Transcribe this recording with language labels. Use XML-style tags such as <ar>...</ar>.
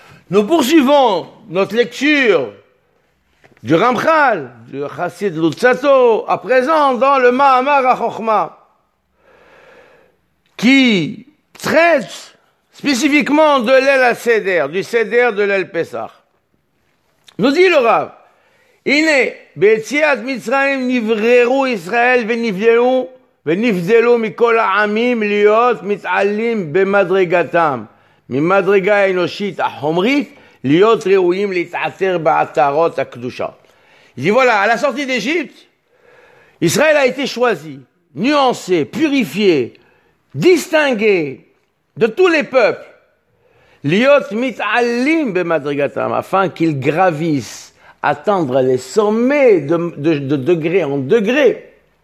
<fr>Nous poursuivons notre lecture du Ramchal, du Chassid Lutzato, à présent dans le Ma'amar HaChokhma, qui traite spécifiquement de l'El HaSeder, du Seder de l'El Pessah. Nous dit le Rav,</fr> <he>« Ine, Betsiat Mitzrayim nivreru Israël venivleu ונבזלו מכל העמים להיות מתעלים במדרגתם, ממדרגה האנושית החומרית, להיות ראויים להתעצר בעטרות הקדושה.</he> <fr>Et voilà, à la sortie d'Égypte, Israël a été choisi, nuancé, purifié, distingué de tous les peuples,</fr> <he>liot mit'alim bemadrigatam,</he> <fr>afin qu'ils gravissent, atteindre les sommets de degré en degré,</fr>